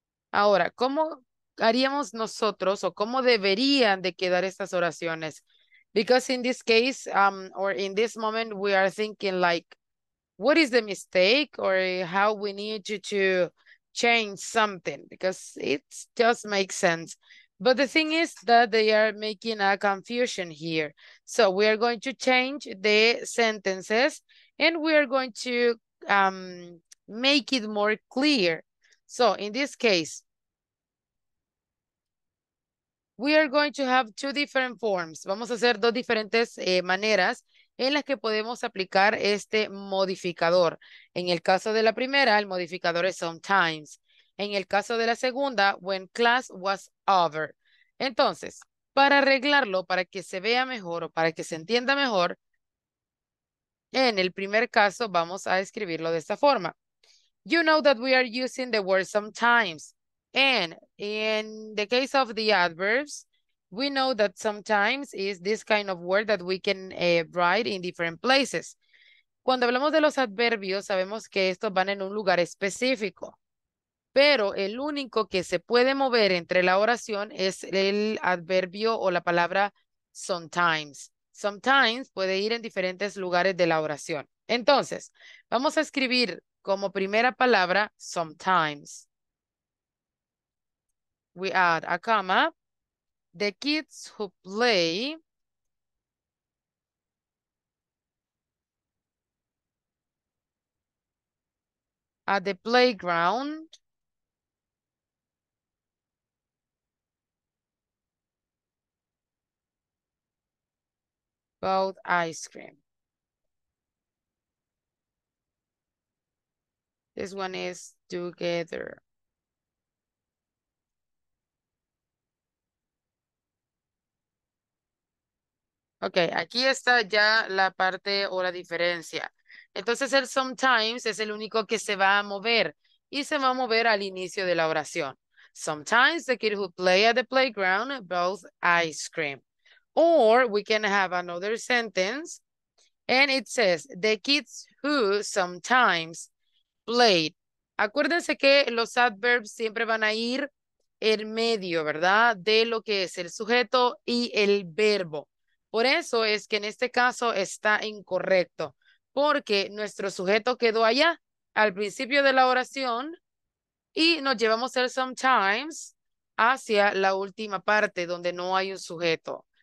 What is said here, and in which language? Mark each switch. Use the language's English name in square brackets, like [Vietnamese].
[Spanish] Ahora, ¿cómo haríamos nosotros o cómo deberían de quedar estas oraciones? [English] Because in this case, or in this moment, we are thinking like, what is the mistake or how we need to change something? Because it just makes sense. But the thing is that they are making a confusion here. So we are going to change the sentences and we are going to make it more clear. So in this case, we are going to have two different forms. [Spanish] Vamos a hacer dos diferentes maneras en las que podemos aplicar este modificador. En el caso de la primera, el modificador es sometimes. En el caso de la segunda, [English] when class was over. [Spanish] Entonces, para arreglarlo, para que se vea mejor o para que se entienda mejor, en el primer caso vamos a escribirlo de esta forma. [English] You know that we are using the word sometimes. And in the case of the adverbs, we know that sometimes is this kind of word that we can write in different places. [Spanish] Cuando hablamos de los adverbios, sabemos que estos van en un lugar específico. Pero el único que se puede mover entre la oración es el adverbio o la palabra sometimes. Sometimes puede ir en diferentes lugares de la oración. Entonces, vamos a escribir como primera palabra sometimes. [English] We add a comma, the kids who play at the playground bought ice cream. This one is together. [Spanish] Ok, aquí está ya la parte o la diferencia. Entonces el sometimes es el único que se va a mover y se va a mover al inicio de la oración. [English] Sometimes the kid who play at the playground both ice cream. Or we can have another sentence and it says the kids who sometimes played. [Spanish] Acuérdense que los adverbs siempre van a ir en medio, ¿verdad? De lo que es el sujeto y el verbo. Por eso es que en este caso está incorrecto, porque nuestro sujeto quedó allá al principio de la oración y nos llevamos el sometimes hacia la última parte donde no hay un sujeto.